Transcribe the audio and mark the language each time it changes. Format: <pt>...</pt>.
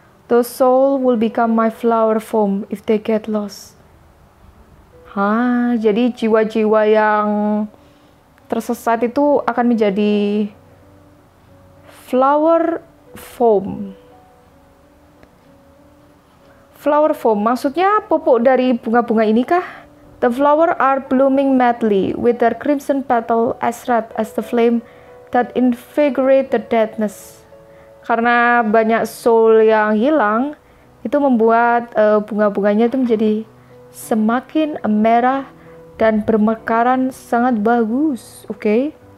<en>The soul will become my flower foam if they get lost.</en> <id>Jadi jiwa-jiwa yang tersesat itu akan menjadi flower foam. Flower foam, maksudnya pupuk dari bunga-bunga ini kah?</id> <en>The flower are blooming madly with their crimson petal as red as the flame that invigorate the deadness.</en> <id>Karena banyak soul yang hilang, itu membuat bunga-bunganya itu menjadi semakin merah dan bermekaran sangat bagus, okay?</id>